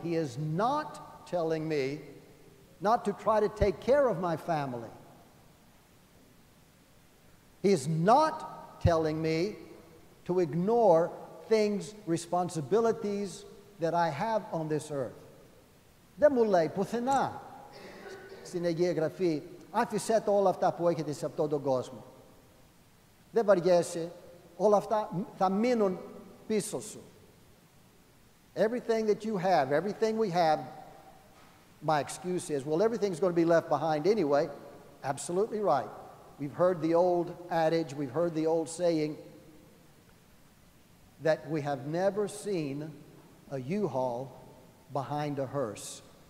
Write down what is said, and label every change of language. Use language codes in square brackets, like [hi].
[en] He is not telling me not to try to take care of my family. He is not telling me to ignore things, responsibilities that I have on this earth. [el] Δεν μου λέει πουθενά στην Αγία Γραφή, άφησε το όλα αυτά που έχετε σε αυτόν τον κόσμο. Δεν βαριέσαι, όλα αυτά θα μείνουν πίσω σου. [en] Everything that you have, everything we have, my excuse is, well, everything's going to be left behind anyway. Absolutely right. We've heard the old adage, we've heard the old saying, that we have never seen a U-Haul behind a hearse.